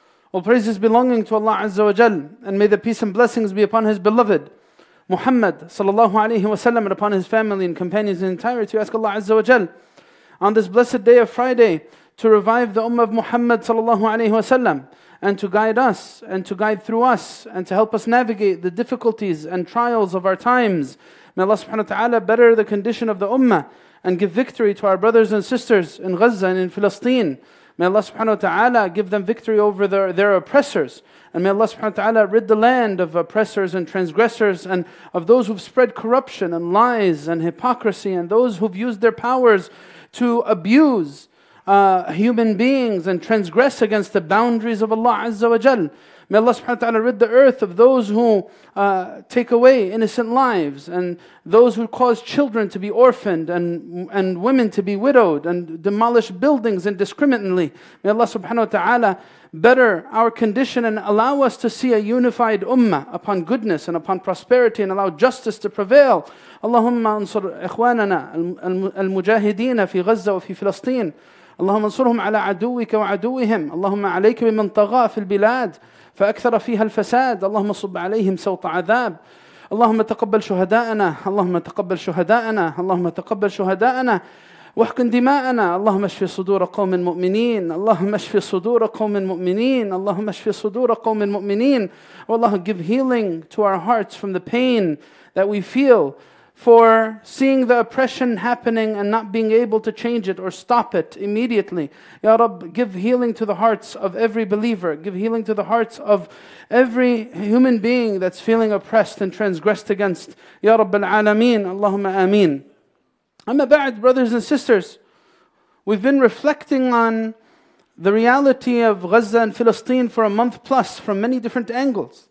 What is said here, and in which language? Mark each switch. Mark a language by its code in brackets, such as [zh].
[en] All praises belonging to Allah Azza wa Jal and may the peace and blessings be upon His beloved Muhammad sallallahu alayhi wa sallam and upon his family and companions in entirety we ask Allah Azza wa Jal on this blessed day of Friday to revive the ummah of Muhammad sallallahu alayhi wa sallam and to guide us, and to guide through us, and to help us navigate the difficulties and trials of our times. May Allah subhanahu wa ta'ala better the condition of the ummah, and give victory to our brothers and sisters in Gaza and in Palestine. May Allah subhanahu wa ta'ala give them victory over their oppressors. And may Allah subhanahu wa ta'ala rid the land of oppressors and transgressors, and of those who've spread corruption and lies and hypocrisy, and those who've used their powers to abuse human beings and transgress against the boundaries of Allah Azza wa Jal. May Allah subhanahu wa ta'ala rid the earth of those who take away innocent lives, and those who cause children to be orphaned, and women to be widowed, and demolish buildings indiscriminately. May Allah subhanahu wa ta'ala better our condition and allow us to see a unified ummah upon goodness and upon prosperity, and allow justice to prevail. [ar] Allahumma ansur ikhwanana al-mujahideena fi Gaza wa fi Filastin. اللهم انصرهم على عدوك وعدوهم اللهم عليك بمن طغى في البلاد فأكثر فيها الفساد اللهم صب عليهم سوط عذاب اللهم تقبل شهداءنا اللهم تقبل شهداءنا اللهم تقبل شهداءنا واحقن دماءنا اللهم اشف صدور قوم المؤمنين اللهم اشف صدور قوم المؤمنين اللهم اشف صدور قوم المؤمنين والله [en] give healing to our hearts from the pain that we feel for seeing the oppression happening and not being able to change it or stop it immediately. Ya Rabb, give healing to the hearts of every believer. Give healing to the hearts of every human being that's feeling oppressed and transgressed against. Ya Rabb al-Alameen, Allahumma Ameen. Amma ba'd, brothers and sisters, we've been reflecting on the reality of Gaza and Palestine for a month plus from many different angles.